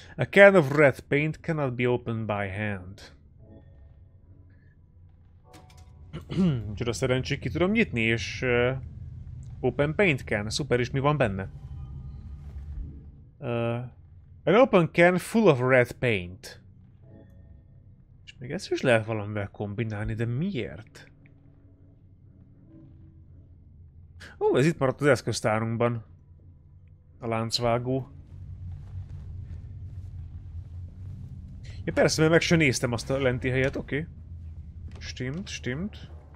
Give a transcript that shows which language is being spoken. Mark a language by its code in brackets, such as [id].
[en] A can of red paint cannot be opened by hand. [hu] Csoda szerencsét, ki tudom nyitni, és... [en] open paint can. [hu] Szuper, és mi van benne? [en] An open can full of red paint. [hu] Még ezt is lehet valamivel kombinálni, de miért? Ez itt maradt az eszköztárunkban. A láncvágó. Ja persze, mert meg sem néztem azt a lenti helyet, oké. Stimmt.